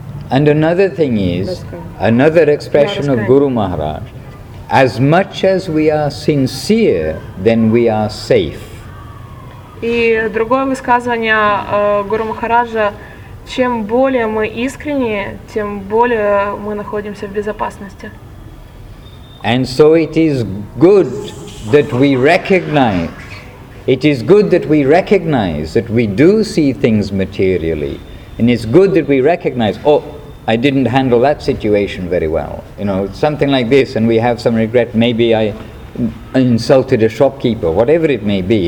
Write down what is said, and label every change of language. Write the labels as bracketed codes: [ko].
[en] And another thing is, another expression of Guru Maharaj, as much as we are sincere, then we are safe. [ru] И другое высказывание Гуру Махараджа, чем более мы искренни, тем более мы находимся в безопасности. [en] And so it is good that we recognize, that we do see things materially, and it's good that we recognize, oh, I didn't handle that situation very well. You know, something like this, and we have some regret. Maybe I insulted a shopkeeper, whatever it may be.